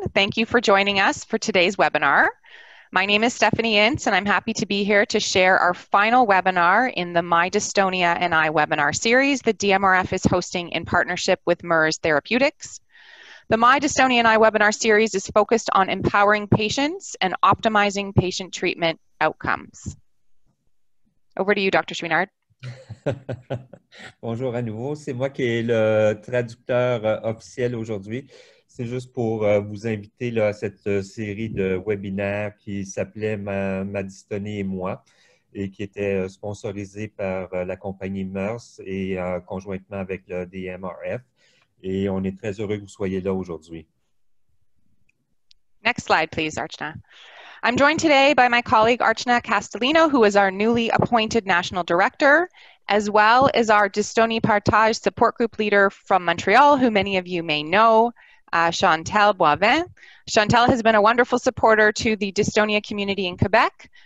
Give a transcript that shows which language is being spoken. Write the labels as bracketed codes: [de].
[en] Thank you for joining us for today's webinar. My name is Stephanie Ince, and I'm happy to be here to share our final webinar in the My Dystonia and I webinar series that DMRF is hosting in partnership with MERS Therapeutics. The My Dystonia and I webinar series is focused on empowering patients and optimizing patient treatment outcomes. Over to you, Dr. Chouinard. [fr] Bonjour à nouveau. C'est moi qui ai le traducteur officiel aujourd'hui. C'est juste pour vous inviter là, à cette série de webinaires qui s'appelait Ma dystonie et moi et qui était sponsorisée par la compagnie MERS et conjointement avec le DMRF. Et on est très heureux que vous soyez là aujourd'hui. [en] Next slide, please, Archana. I'm joined today by my colleague Archana Castellino, who is our newly appointed national director, as well as our Dystonie Partage support group leader from Montreal, who many of you may know. Chantal Boivin. Chantal has been a wonderful supporter to the Dystonia community in Quebec.